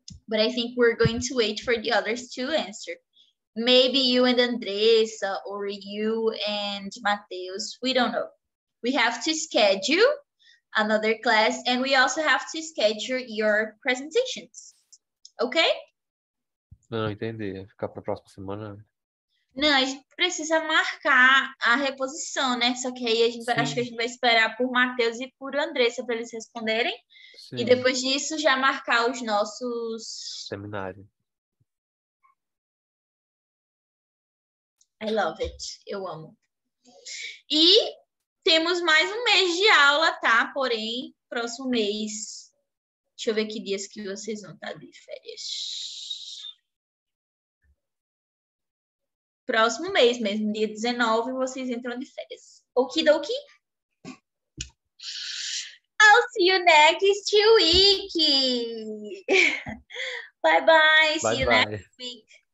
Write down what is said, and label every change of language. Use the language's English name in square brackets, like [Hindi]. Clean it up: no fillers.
[English] But I think we're going to wait for the others to answer. Maybe you and Andressa, or you and Mateus, we don't know. We have to schedule another class, and we also have to schedule your presentations, okay? [Portuguese] Não, entendi. Ficar para a próxima semana. Não, a gente precisa marcar a reposição, né? Só que aí a gente acho que a gente vai esperar por Mateus e por Andressa para eles responderem. Sim. E depois disso já marcar os nossos... Seminário. [English] I love it. [Portuguese] Eu amo. E temos mais um mês de aula, tá? Porém, próximo mês... Deixa eu ver que dias que vocês vão estar de férias. Próximo mês mesmo, dia 19, vocês entram de férias. Okidoki. [English] I'll see you next week. Bye-bye. See you next week.